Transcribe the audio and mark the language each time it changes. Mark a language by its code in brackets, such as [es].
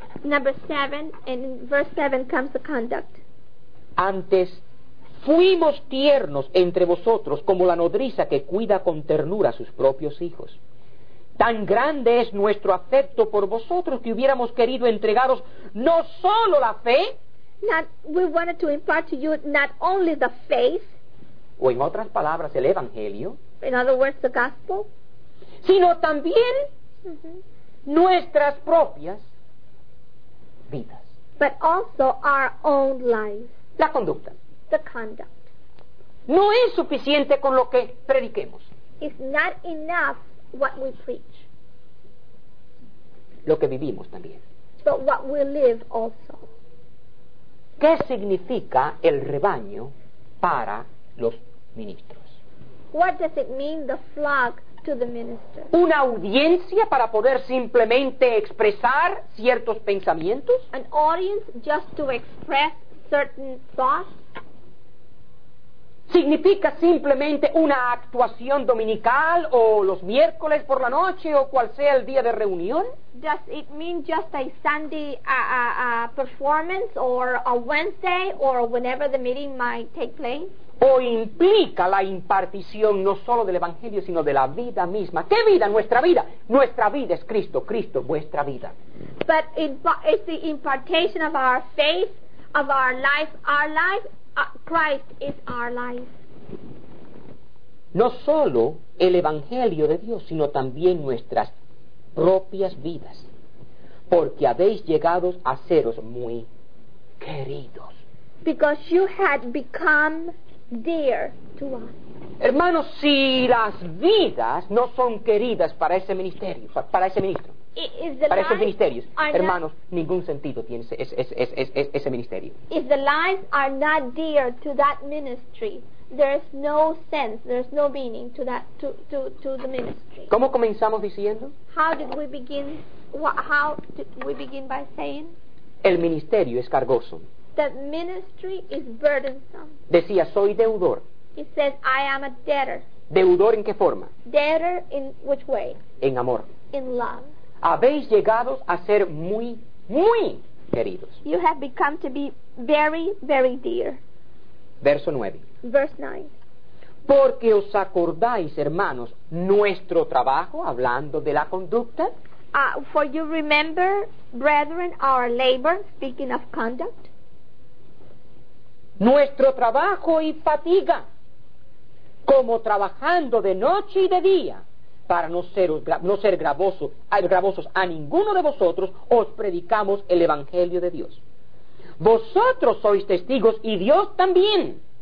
[en] Number 7, in verse 7 comes the conduct. [es] Antes fuimos tiernos entre vosotros como la nodriza que cuida con ternura a sus propios hijos. Tan grande es nuestro afecto por vosotros que hubiéramos querido entregaros no solo la fe. [en] We wanted to impart to you not only the faith. [es] O en otras palabras, el Evangelio. [en] In other words, the gospel. [es] Sino también nuestras propias vidas. [en] But also our own lives. [es] La conducta. [en] The conduct. [es] No es suficiente con lo que prediquemos. [en] It's not enough what we preach. [es] Lo que vivimos también. [en] But what we live also. [es] ¿Qué significa el rebaño para los ministros? [en] What does it mean, the flock to the minister? [es] ¿Una audiencia para poder simplemente expresar ciertos pensamientos? [en] An audience just to express certain thoughts? [es] ¿Significa simplemente una actuación dominical o los miércoles por la noche o cual sea el día de reunión? [en] Does it mean just a Sunday performance or a Wednesday or whenever the meeting might take place? [es] ¿O implica la impartición no solo del Evangelio sino de la vida misma? ¿Qué vida? Nuestra vida. Nuestra vida es Cristo. Cristo, vuestra vida. [en] But it's the impartation of our faith, of our life, our life. Christ is our life. [es] No solo el Evangelio de Dios, sino también nuestras propias vidas, porque habéis llegado a seros muy queridos. [en] Because you had become dear to us. [es] Hermanos, si las vidas no son queridas para ese ministerio, para ese ministro, para esos ministerios, hermanos, ningún sentido tiene ese ministerio. [en] If the lives are not dear to that ministry, there is no sense, there is no meaning to that to the ministry. [es] ¿Cómo comenzamos diciendo? [en] How did we begin? How did we begin by saying? [es] El ministerio es cargoso. [en] The ministry is burdensome. [es] Decía, soy deudor. [en] He says, I am a debtor. [es] ¿Deudor en qué forma? [en] Debtor in which way? [es] En amor. [en] In love. [es] Habéis llegado a ser muy, muy queridos. [en] You have become to be very, very dear. [es] Verso 9. [en] Verse 9. [es] Porque os acordáis, hermanos, nuestro trabajo, hablando de la conducta. [en] For you remember, brethren, our labor, speaking of conduct. [es] Nuestro trabajo y fatiga, como trabajando de noche y de día. Para no ser gravosos a ninguno de vosotros, os predicamos el Evangelio de Dios. Vosotros sois testigos, y Dios también,